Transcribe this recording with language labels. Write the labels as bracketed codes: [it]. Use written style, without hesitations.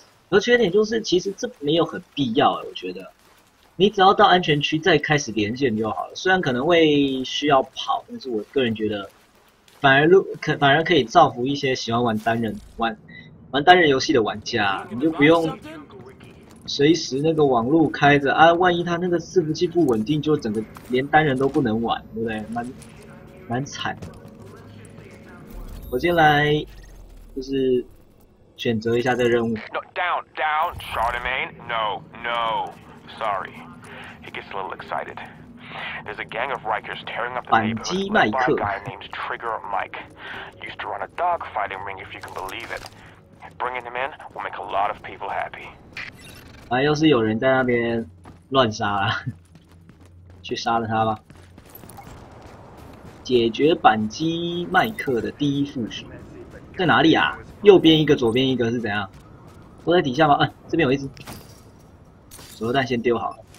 [zh] 而缺点就是其实这没有很必要，我觉得。你只要到安全区再开始连线就好了，虽然可能会需要跑，但是我个人觉得，反而可以造福一些喜欢玩单人游戏的玩家，你就不用随时那个网络开着啊，万一他那个伺服器不稳定，就整个连单人都不能玩，对不对？蛮惨的。我先来，就是选择一下这任务。 [en] No, down, Charlemagne. No, sorry. He gets a little excited. There's a gang of Rikers tearing up the neighborhood led by a guy named Trigger Mike. Used to run a dog fighting ring, if you can believe it. Bringing him in will make a lot of people happy. [zh] 啊，又是有人在那边乱杀了，去杀了他吧。解决扳机麦克的第一副手在哪里啊？右边一个，左边一个是怎样？都在底下吗？啊，这边有一只。手榴弹先丢好了。